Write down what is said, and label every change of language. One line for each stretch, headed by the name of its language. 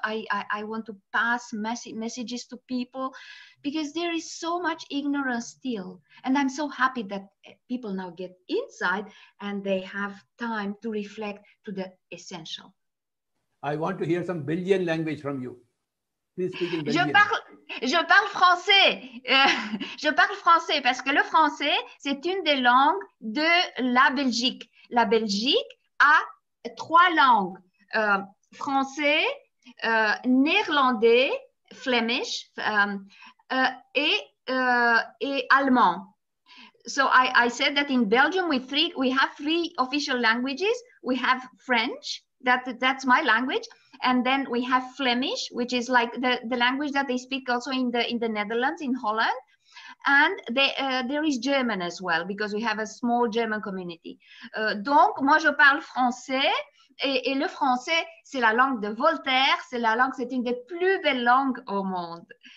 English: I want to pass messages to people, because there is so much ignorance still, and I'm so happy that people now get inside and they have time to reflect to the essential. I want to hear some Belgian language from you. Please speak in Belgian.
French: Je parle français. Je parle français parce que le français, c'est une des langues de la Belgique. La Belgique a trois langues. Français, néerlandais, Flemish, et allemand.
English: So I said that in Belgium, we have three official languages. We have French. That's my language. And then we have Flemish, which is like the language that they speak also in the Netherlands, in Holland. And there is German as well, because we have a small German community.
French: Donc, moi, je parle français. Et le français, c'est la langue de Voltaire. C'est une des plus belles langues au monde.